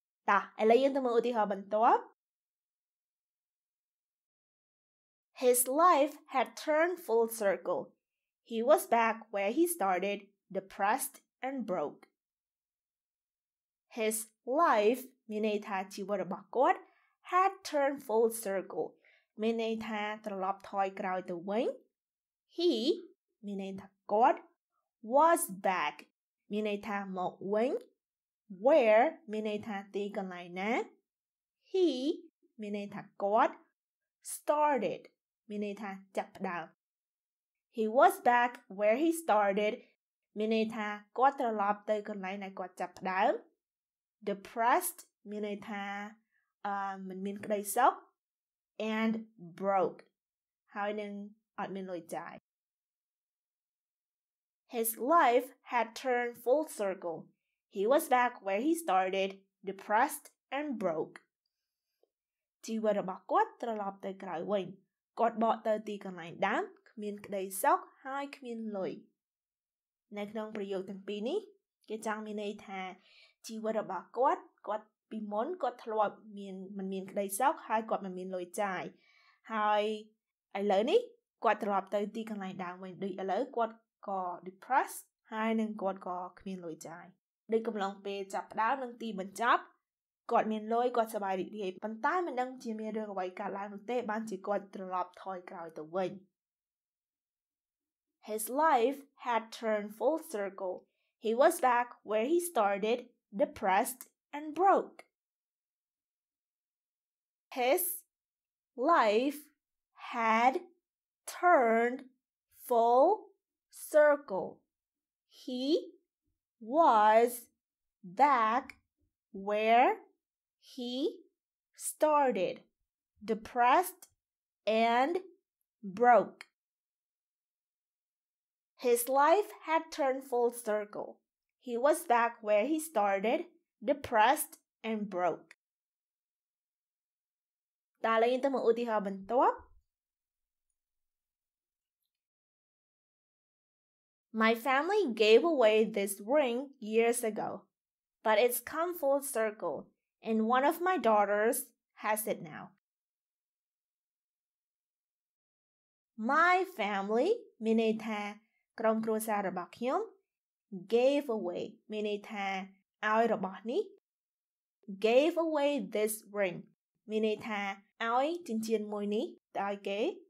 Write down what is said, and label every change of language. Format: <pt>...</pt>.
<km>តោះឥឡូវយើងទៅមើលឧទាហរណ៍បន្ទាប់.</km> <en>His life had turned full circle. He was back where he started, depressed and broke. His life,</en> <km>មានន័យថាជីវិតរបស់គាត់,</km> <en>had turned full circle.</en> <km>មានន័យថាត្រឡប់ថយក្រោយទៅវិញ.</km> <en>He,</en> <km>មានន័យថាគាត់,</km> <en>was back,</en> <km>មានន័យថាមកវិញ,</km> <en>where,</en> <km>មានន័យថាទីកន្លែងណា,</km> <en>he,</en> <km>មានន័យថាគាត់,</km> <en>started,</en> <km>មានន័យថាចាប់ផ្ដើម.</km> <en>He was back where he started,</en> <km>មានន័យថាគាត់ត្រឡប់ទៅកន្លែងដែលគាត់ចាប់ផ្ដើម.</km> <en>Depressed,</en> <km>មានន័យថាមិនមានក្តីសុខ,</km> <en>and broke,</en> <km>ហើយនឹងអត់មានលុយចាយ.</km> <en>His life had turned full circle. He was back where he started, depressed and broke.</en> <km>ជីវិតរបស់គាត់ត្រឡប់ទៅក្រៅវិញគាត់បកទៅទីកន្លែងដើមគ្មានក្តីសុខហើយគ្មានលុយនៅក្នុងប្រយោគទាំងពីរនេះគេចង់មានន័យថាជីវិតរបស់គាត់គាត់ពីមុនគាត់ធ្លាប់មានមិនមានក្តីសុខហើយគាត់មិនមានលុយចាយហើយ ឥឡូវនេះគាត់ត្រឡប់ទៅទីកន្លែងដើមវិញដូចឥឡូវគាត់ក៏ depressed ហើយនឹងគាត់ក៏គ្មានលុយចាយដូចកំឡុងពេលចាប់ផ្ដើមនឹងទីបញ្ចប់គាត់មានលុយគាត់សប្បាយរីករាយប៉ុន្តែមិនដឹងជាមានរឿងអ្វីកើតឡើងនោះទេបានជាគាត់ត្រឡប់ថយក្រោយទៅវិញ</km> <en>His life had turned full circle. He was back where he started, depressed and broke. His life had turned full circle. He was back where he started, depressed and broke. His life had turned full circle. He was back where he started, depressed and broke.</en> <km>តាឡេងទៅមឧទាហរណ៍បន្ទាប់</km> <en>My family gave away this ring years ago, but it's come full circle, and one of my daughters has it now. My family,</en> <km>មានន័យថាក្រុមគ្រួសាររបស់ខ្ញុំ gave away មានន័យថាឲ្យរបស់នេះ</km> <en>gave away this ring</en> <km>មានន័យថាឲ្យចិញ្ចៀនមួយនេះទៅឲ្យគេ</km>